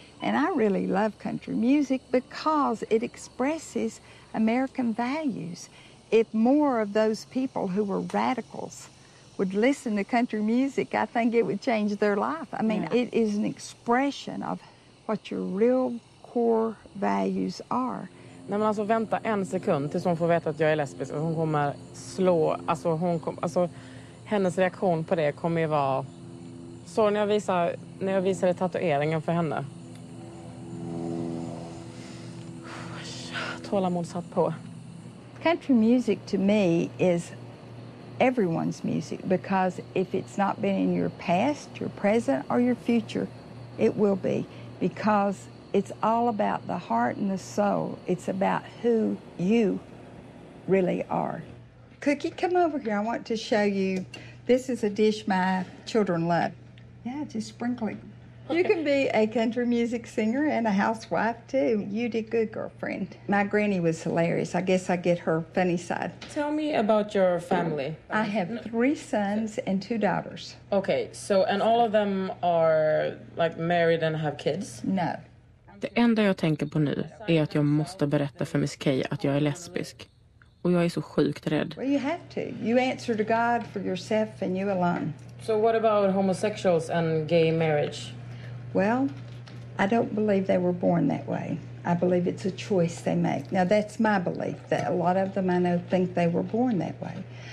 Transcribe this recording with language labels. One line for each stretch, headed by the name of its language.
English: And I really love country music because it expresses American values. If more of those people who were radicals would listen to country music, I think it would change their life. I mean, yeah. It is an expression of what your real core values are.
Swedish: Nej, men alltså vänta en sekund tills hon får veta att jag är lesbisk. Hon kommer slå, alltså, hennes reaktion på det kommer ju vara... Så när jag visade tatueringen för henne. Tålamod satt på.
English: Country music to me is everyone's music. Because if it's not been in your past, your present or your future, it will be. Because... It's all about the heart and the soul. It's about who you really are. Cookie, come over here. I want to show you. This is a dish my children love. Yeah, just sprinkling. You can be a country music singer and a housewife, too. You did good, girlfriend. My granny was hilarious. I guess I get her funny side. Tell me about your family. I have three sons and two daughters. Okay, so, and all of them are, like, married and have kids? No.
Swedish: Det enda jag tänker på nu är att jag måste berätta för Miss Kay att jag är lesbisk. Och jag är så sjukt rädd.
English: Well, you have to. You answer to God for yourself and you alone. So what about homosexuals and gay marriage? Well, I don't believe they were born that way. I believe it's a choice they make. Now that's my belief, that a lot of them I know think they were born that way.